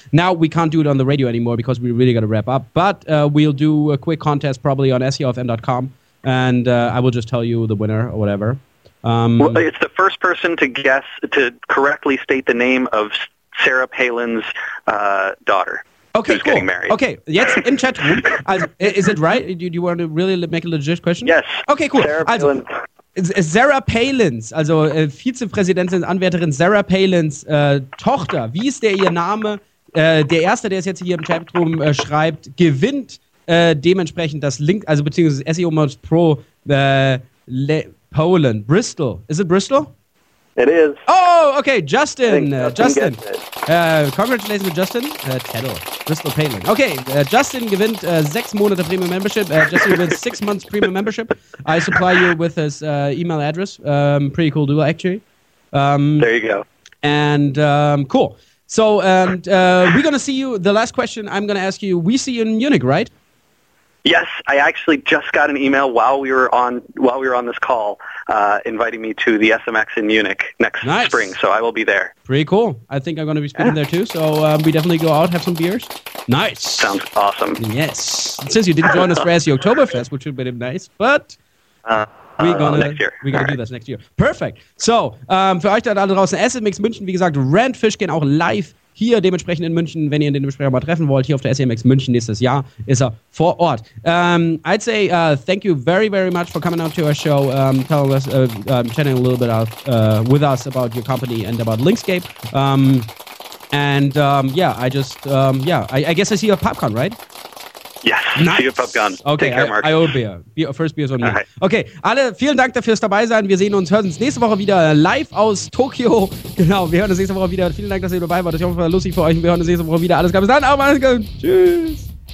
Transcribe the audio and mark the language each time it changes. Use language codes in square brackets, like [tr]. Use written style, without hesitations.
[en] Now we can't do it on the radio anymore because we really got to wrap up, but we'll do a quick contest probably on SEOFM.com, and I will just tell you the winner or whatever. Well, it's the first person to guess, to correctly state the name of Sarah Palin's daughter. Okay, who's cool. Getting married. Okay, yes, in chat room. Is it right? Do you want to really make a legit question? Yes. Okay, cool. Sarah Palin's, [de] also Vizepräsidentin, Anwärterin Sarah Palin's Tochter. Wie ist der ihr Name? Der Erste, der es jetzt hier im Chat room schreibt, gewinnt dementsprechend das Link, also beziehungsweise SEO Moz Pro Poland. [en] Bristol. Is it Bristol? It is. Oh, okay, Justin. Congratulations with Justin. [de] Tettle. Bristol Palin. Okay, Justin gewinnt 6 Monate Premium Membership. Justin gewinnt [en] 6 months [de] Premium Membership. [en] I supply you with his email address. Pretty cool deal, actually. There you go. And cool. So, and we're going to see you. The last question I'm going to ask you, we see you in Munich, right? Yes, I actually just got an email while we were on this call, inviting me to the SMX in Munich next spring. So I will be there. Pretty cool. I think I'm going to be speaking there too. So we definitely go out, have some beers. Nice. Sounds awesome. Yes. Since you didn't join us for SEO Oktoberfest, which would have been nice, but. We're gonna do this next year. Perfect. [de] So, für euch da alle draußen, SMX München, wie gesagt, Rand Fischken auch live hier dementsprechend in München, wenn ihr den Besprecher mal treffen wollt, hier auf der SMX München nächstes Jahr ist er vor Ort. [en] I'd say thank you very, very much for coming out to our show, telling us, chatting a little bit with us about your company and about Linkscape. I guess I see you at PopCon, right? Yes, nice. See you at PopCon. Okay, take care, Mark. I will be. First beer is on me. Right. [de] Okay, alle, vielen Dank fürs dabei sein. Wir sehen uns, hören uns nächste Woche wieder live aus Tokio. Genau, wir hören uns nächste Woche wieder. Vielen Dank, dass ihr dabei wart. Ich hoffe, es war lustig für euch. Wir hören uns nächste Woche wieder. Alles Gute. Bis dann. Auf, alles Gute. Tschüss.